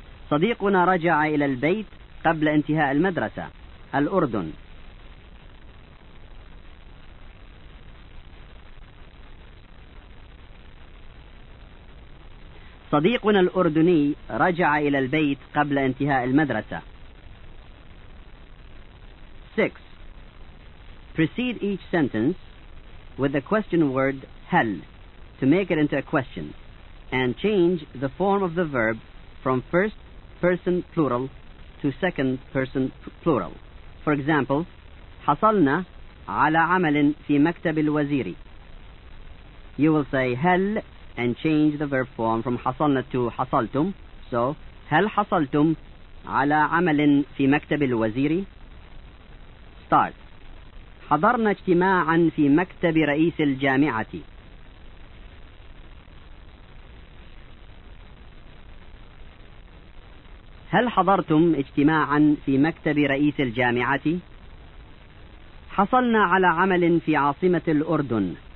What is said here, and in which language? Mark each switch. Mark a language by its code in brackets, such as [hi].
[ar] صديقنا رجع إلى البيت قبل انتهاء المدرسة. الأردن. صديقنا الأردني رجع إلى البيت قبل انتهاء المدرسة. [en] 6. Proceed each sentence with the question word هل to make it into a question and change the form of the verb from first person plural to second person plural. For example, [ar] حصلنا على عمل في مكتب الوزير. [en] You will say هل and change the verb form from حصلنا to حصلتم. So, [ar] هل حصلتم على عمل في مكتب الوزير? 16 حضرنا اجتماعا في مكتب رئيس الجامعة. هل حضرتم اجتماعا في مكتب رئيس الجامعة؟ حصلنا على عمل في عاصمة الأردن.